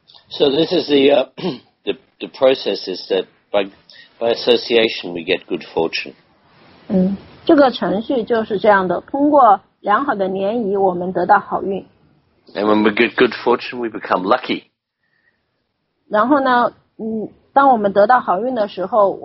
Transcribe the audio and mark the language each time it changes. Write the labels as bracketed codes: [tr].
[en] So this is the process is that by association we get good fortune. [zh] 这个程序就是这样的, 通过良好的联谊, [en] and when we get good fortune, we become lucky. [zh] 然后呢, 当我们得到好运的时候,